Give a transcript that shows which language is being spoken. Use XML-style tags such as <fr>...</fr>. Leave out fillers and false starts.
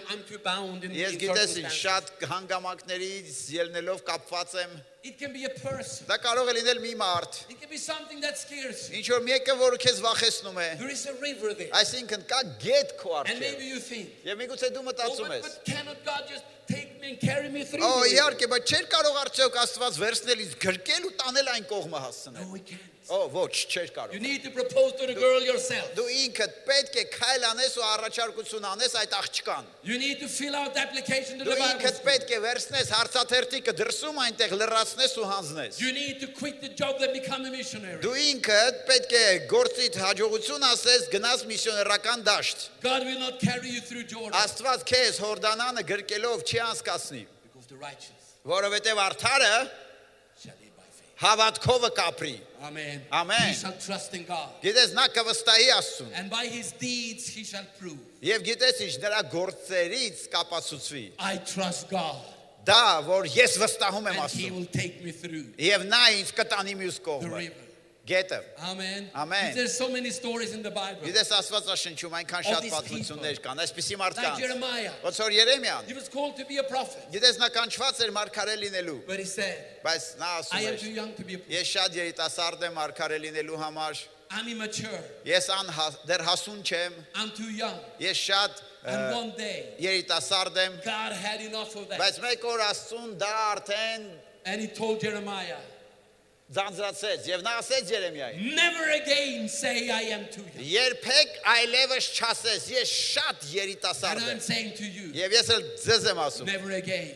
<en>I'm too bound in the</en> <hy>Ես գիտես, շատ հանգամանքներից ելնելով կապված եմ։</hy> <en>It can be a person.</en> <hy>Դա կարող է լինել մի մարդ։</hy> <en>It can be something that scares you.</en> <hy>Ինչ որ մեկը, որ քեզ վախեցնում է։</hy> <en>There is a river there.</en> <hy>Այսինքն կա գետ քո առջև։</hy> <en>And maybe you think.</en> <hy>Եվ միգուցե դու մտածում ես։</hy> <en>But cannot God just take me and carry me through?</en> <hy>Օ՜, իհարկե, բայց չէր կարող արդյոք Աստված վերցնելից գրկել ու տանել այն կողմը հասնել։</hy> <en>No, he can't.</en> <hy>Օ՜, ոչ, չէր կարող։</hy> <en>You need to propose to the girl yourself.</en> <hy>Դու ինքդ պետք է քայլ անես ու առաջարկություն անես այդ աղջկան։</hy> <en>You need to fill out the application to the Bible.</en> <hy>Դու ինքդ պետք է վերցնես հարցաթերթիկը դրսում այնտեղ լրացնես ու հանձնես։</hy> <en>You need to quit the job and become a missionary.</en> <hy>Դու ինքդ պետք է գործիդ հաջողություն ասես, գնաս միսիոներական դաշտ։</hy> <en>God will not carry you through Jordan.</en> <hy>Աստված քեզ Հորդանանը գրկելով չի անցկացնի։</hy> <en>Because the righteous.</en> <hy>Որովհետև արդարը հավատքովը կապրի։</hy> <en>Amen. Amen. He shall trust in God.</en> <hy>Գիտես նա կվստահի Աստծուն։</hy> <en>And by his deeds he shall prove.</en> <hy>Եվ գիտես ինչ նրա գործերից կապացուցվի։</hy> <en>I trust God.</en> <hy>Դա որ ես վստահում եմ Աստծուն։</hy> <en>And he will take me through.</en> <hy>Եվ նա ինձ կտանի մյուս կողմը։</hy> <en>The river.</en> <hy>գետը</hy> <en>Amen. Amen. There's so many stories in the Bible.</en> <hy>Դիտես Աստվածաշնչում այնքան շատ պատմություններ կան, այսպիսի մարդկանց. Ոնց որ Երեմիան.</hy> <en>He was called to be a prophet.</en> <hy>Դիտես նա կանչված էր մարգարել լինելու.</hy> <en>But he said,</en> <hy>բայց նա ասում էր.</hy> <en>I am too young to be a prophet.</en> <hy>Ես շատ երիտասարդ եմ մարգարել լինելու համար.</hy> <en>I'm immature.</en> <hy>Ես դեռ հասուն չեմ.</hy> <en>I'm too young.</en> <hy>Ես շատ</hy> <en>And one day, God had enough of that.</en> <hy>Բայց մեկ օր Աստուն դա արդեն</hy> <en>And he told Jeremiah.</en> <hy>Ձանձրացեց եւ նա ասեց Երեմիային.</hy> <en>Never again say I am too young.</en> <hy>Երբեք այլևս չասես ես շատ երիտասարդ եմ.</hy> <en>And I'm saying to you.</en> <hy>Եվ ես էլ ձեզ եմ ասում.</hy> <en>Never again.</en>